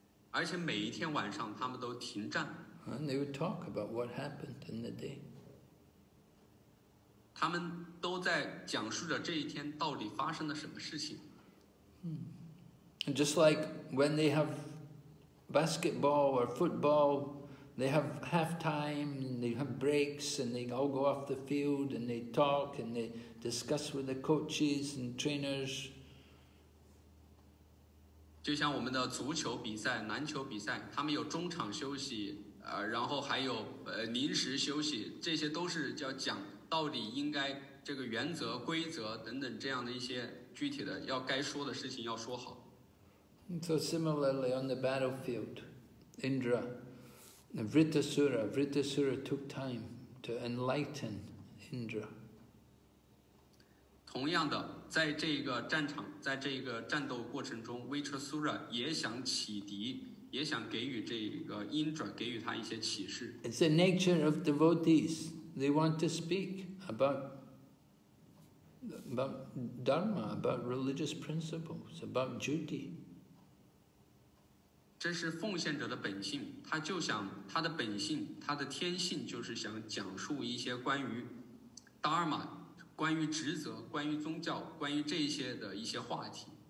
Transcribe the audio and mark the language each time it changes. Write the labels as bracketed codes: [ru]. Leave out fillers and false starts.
[zh] 而且每一天晚上他们都停战。 [en] And they would talk about what happened in the day. [zh] 他们都在讲述着这一天到底发生了什么事情。 [en] Just like when they have basketball or football, they have halftime, and they have breaks, and they all go off the field, and they talk, and they discuss with the coaches and trainers. [zh] 就像我们的足球比赛、篮球比赛，他们有中场休息，然后还有临时休息，这些都是叫讲到底应该这个原则、规则等等这样的一些具体的要该说的事情要说好。 [en] So similarly on the battlefield, Indra, Vritasura took time to enlighten Indra. [zh] 同样的。在这个战场，在这个战斗过程中，威彻苏拉也想启迪，也想给予这个因转给予他一些启示。 [en] It's the nature of devotees. They want to speak about dharma, about religious principles, about duty. [zh] 这是奉献者的本性，他就想他的本性，他的天性就是想讲述一些关于 dharma。关于职责，关于宗教，关于这些的一些话题。